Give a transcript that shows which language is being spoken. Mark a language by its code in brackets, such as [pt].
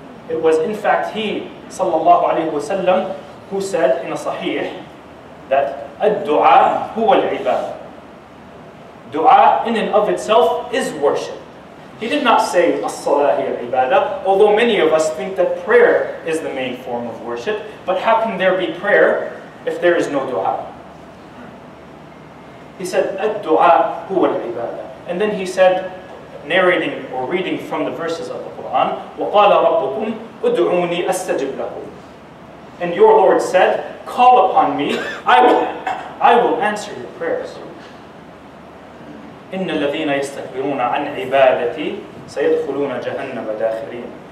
[en] It was in fact he sallallahu alayhi wa sallam who said in a sahih that [ar] الدُّعَى هُوَ الْعِبَادَ. [en] Dua in and of itself is worship. He did not say [ar] الصَّلَاةِ هِيَ الْعِبَادَةِ, [en] although many of us think that prayer is the main form of worship. But how can there be prayer if there is no dua? He said, [ar] الدُّعَى هُوَ الْعِبَادَةِ. [en] And then he said, narrating or reading from the verses of the Quran, [ar] وَقَالَ رَبُّكُمْ اُدْعُونِي أَسْتَجِبْ لَكُمْ. [en] And your Lord said, call upon me, I will answer your prayers. [ar] إِنَّ الَّذِينَ يَسْتَكْبِرُونَ عَنْ عِبَادَتِي سَيَدْخُلُونَ جَهَنَّمَ دَاخِرِينَ.